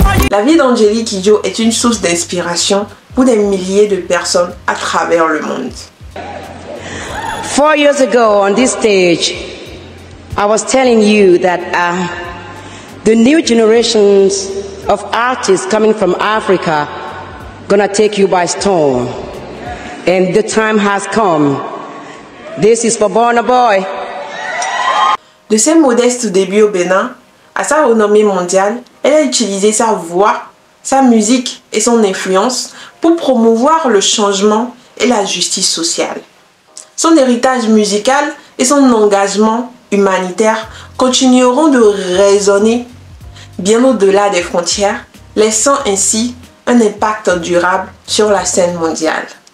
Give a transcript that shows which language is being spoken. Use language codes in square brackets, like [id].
[fr] La vie d'Angélique Kidjo est une source d'inspiration pour des milliers de personnes à travers le monde. [en] 4 years ago on this stage, I was telling you that the new generations of artists coming from Africa gonna take you by storm, and the time has come. This is for Burna Boy. [fr] De ses modestes débuts au Bénin à sa renommée mondiale, elle a utilisé sa voix, sa musique et son influence pour promouvoir le changement et la justice sociale. Son héritage musical et son engagement humanitaire continueront de résonner bien au-delà des frontières, laissant ainsi un impact durable sur la scène mondiale.